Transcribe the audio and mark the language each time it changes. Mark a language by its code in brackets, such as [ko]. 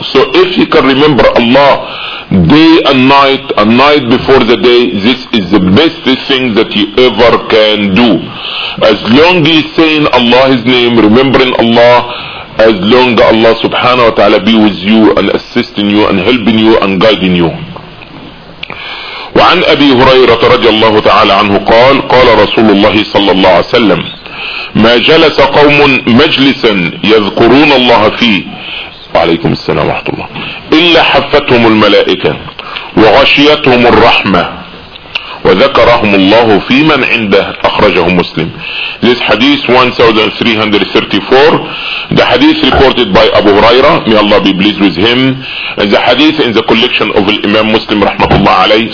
[en] So if you can remember Allah day and night before the day, this is the best thing that you ever can do. As long as you're saying Allah His name, remembering Allah, as long as Allah subhanahu wa ta'ala be with you and assisting you and helping you and guiding you. [ar] وعن أبي هريرة رضي الله تعالى عنه قال قال رسول الله صلى الله عليه وسلم ما جلس قوم مجلسا يذكرون الله فيه عليكم السلام ورحمة الله إلا حفتهم الملائكة وغشيتهم الرحمة وذكرهم الله في من عنده أخرجه مسلم. [en] This hadith 1334, the hadith reported by Abu Huraira, may Allah be pleased with him, and the hadith in the collection of Imam Muslim rahmatullah alayh.